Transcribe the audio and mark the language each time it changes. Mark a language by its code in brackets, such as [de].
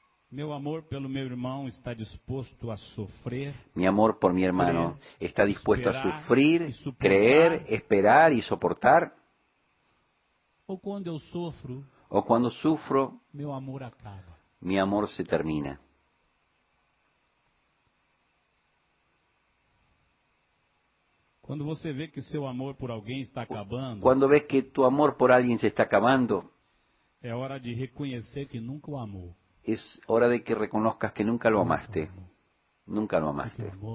[pt] Meu amor pelo meu irmão está disposto a sofrer. [es] Mi amor por mi hermano está dispuesto a sufrir, creer, esperar y soportar. [pt] Ou quando eu sofro, [es] o cuando sufro, [pt] meu amor acaba. [es] Mi amor se termina. [pt] Quando você vê que seu amor por alguém está acabando, [es] cuando ves que tu amor por alguien se está acabando, [pt] é hora de reconhecer que nunca o amou. [es] Es hora de que reconozcas que nunca lo amaste. Nunca lo amaste.